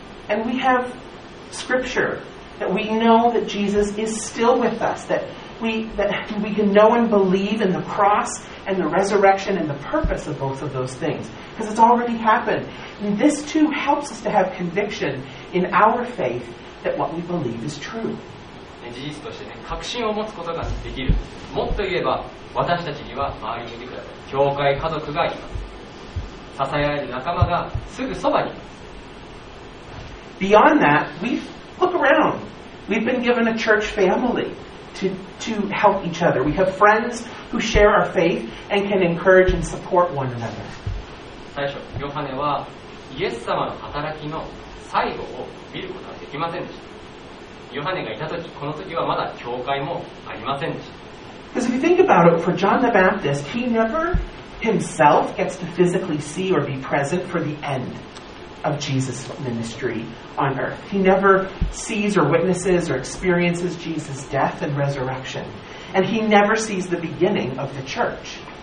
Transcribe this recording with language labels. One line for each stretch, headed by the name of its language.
English: And we have scripture that we know that Jesus is still with us, that we can know and believe in the cross and the resurrection and the purpose of both of those things, because it's already happened. And this too helps us to have conviction. In our faith, that what we believe is true.
Japanese: 事実として、ね、確信を持つことができる。もっと言えば、私たちには周りにいてください。教会家族がいます。支え合える仲間がすぐそばにいます。
English: Beyond that, we look around. We've been given a church family to help each other. We have friends who share our faith and can encourage and support one another.
Japanese: 最初ヨハネはイエス様の働きの最後を見ることはできませんでした。ヨハネがいた時、この時はまだ教会もありませんでした。
English: Because if you think about it, for John the Baptist, he never himself gets to physically see or be present for the endof Jesus' ministry on earth. He never sees or witnesses or experiences Jesus' death and resurrection. And he never sees the beginning of the church.